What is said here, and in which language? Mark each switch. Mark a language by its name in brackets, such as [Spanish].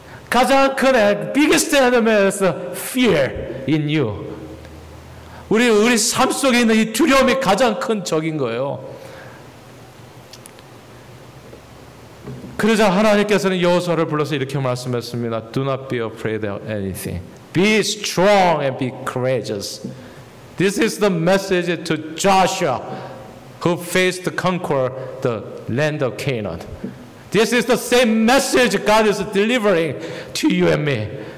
[Korean] 가장 큰 [English] biggest enemy is fear in you. [Korean] 우리 삶 속에 있는 이 두려움이 가장 큰 적인 거예요. 그러자 하나님께서는 여호수아를 불러서 이렇게 말씀했습니다. [English] Do not be afraid of anything. Be strong and be courageous. This is the message to Joshua who faced to conquer the land of Canaan. This is the same message God is delivering to you and me.